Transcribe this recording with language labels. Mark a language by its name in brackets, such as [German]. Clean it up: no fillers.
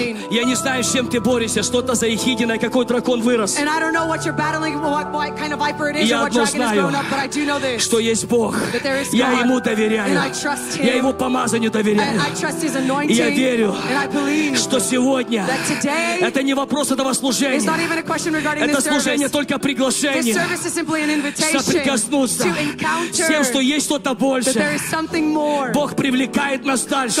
[Russian] Я не знаю, с чем ты борешься, что-то за ехидиной, какой дракон вырос. [English] I don't know what you're battling, what kind of viper it is, or what dragon [Russian] знаю, [English] has grown up, but I do know this, [Russian] что есть Бог. [English] That there is God, and I trust him. [Russian] Я ему доверяю. Я его помазанию доверяю. [English] And I trust his anointing. [Russian] И я верю, [English] and I believe [Russian] что сегодня, [English] that today [Russian] это не вопрос этого служения. [English] It's not even a question regarding [Russian] это [English] this [Russian] служение [English] service. [Russian] Только приглашение. [English] This service is simply an invitation [Russian] соприкоснуться [English] to encounter [Russian] всем, что есть что-то больше. [English] That there is something more. [Russian] Бог привлекает нас дальше.